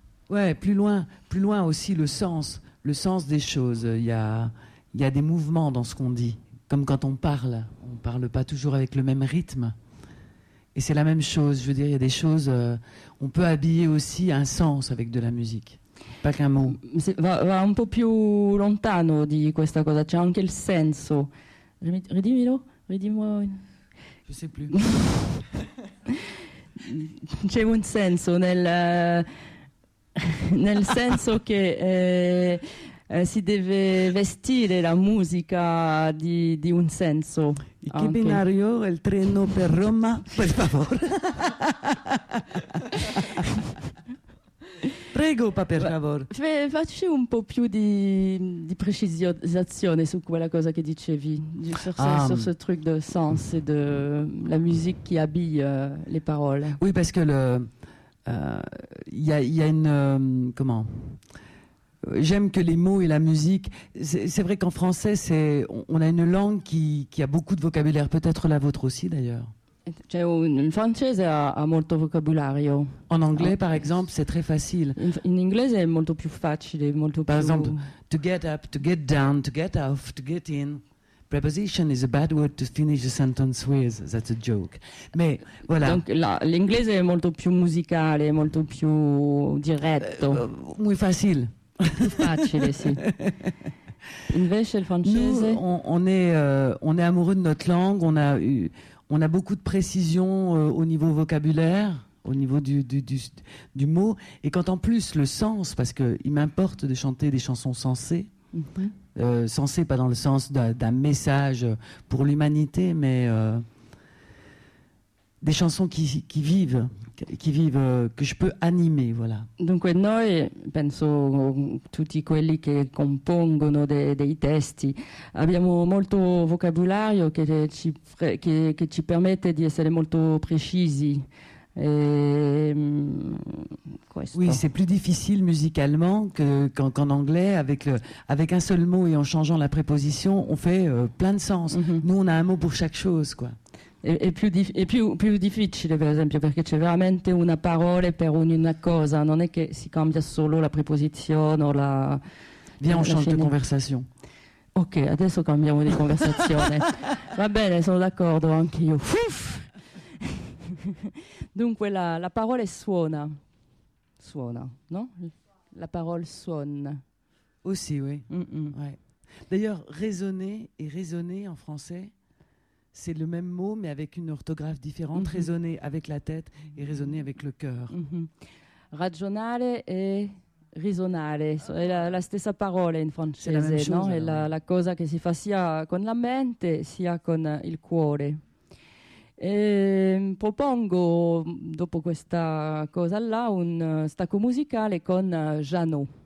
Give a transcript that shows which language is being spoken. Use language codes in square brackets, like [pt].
[fr] Ouais, plus loin aussi le sens des choses. Il y a des mouvements dans ce qu'on dit, comme quand on parle pas toujours avec le même rythme. Et c'est la même chose, je veux dire, il y a des choses, on peut habiller aussi un sens avec de la musique, pas qu'un mot. [it] Va un po' più lontano di questa cosa, c'è anche il senso. Ridimmelo. [fr] Je sais plus. [it] C'è un senso nel nel senso che si deve vestire la musica di un senso. Il che binario, il treno per Roma, per favore. Prego, per favore. Facci un po' più di precisazione su quella cosa che dicevi, [fr] sur ce truc de sens et de la musique qui habille les paroles. Oui, parce que le... Il y a une... comment ? J'aime que les mots et la musique... C'est vrai qu'en français, on a une langue qui a beaucoup de vocabulaire. Peut-être la vôtre aussi, d'ailleurs. [it] Cioè, il francese ha molto vocabulario. [fr] En anglais, par exemple, c'est très facile. [it] In inglese è molto più facile, molto più... [fr] Par exemple, [en] to get up, to get down, to get off, to get in. Preposition is a bad word to finish a sentence with. That's a joke. [fr] Mais voilà. [it] Donc l'inglese è molto più musicale, molto più diretto. Muy facile. Facile, sì. Invece il francese. [fr] On est amoureux de notre langue. On a beaucoup de précision au niveau vocabulaire, au niveau du mot. Et quand en plus le sens, parce que il m'importe de chanter des chansons sensées. Mm-hmm. Censé pas dans le sens d'un message pour l'humanité, mais des chansons qui vivent, que je peux animer, voilà. Dunque noi, penso tutti quelli che compongono dei testi, abbiamo molto vocabolario che ci permette di essere molto precisi. Oui, c'est plus difficile musicalement que, qu'en anglais. Avec un seul mot et en changeant la préposition, on fait plein de sens. Mm-hmm. Nous, on a un mot pour chaque chose, quoi. [it] E più difficile, per esempio, perché c'è veramente una parola per ogni cosa. Non è che si cambia solo la preposizione o la... [fr] Viens, on change de conversation. [it] Ok, adesso cambiamo di conversazione. Va bene, sono d'accordo anch'io. Dunque, la parola suona. Suona, no? La parola suona. [fr] Aussi, oui. Ouais. D'ailleurs, résonner et résonner en français... C'est le même mot, mais avec une orthographe différente. Mm-hmm. Raisonner avec la tête et raisonner avec le cœur. Mm-hmm. [it] Ragionare e risonare. C'est la stessa parola in francese. [fr] C'est la même chose. [it] No? È la cosa che si fa sia con la mente, sia con il cuore. E propongo, dopo questa cosa-là, un stacco musicale con Jeannot.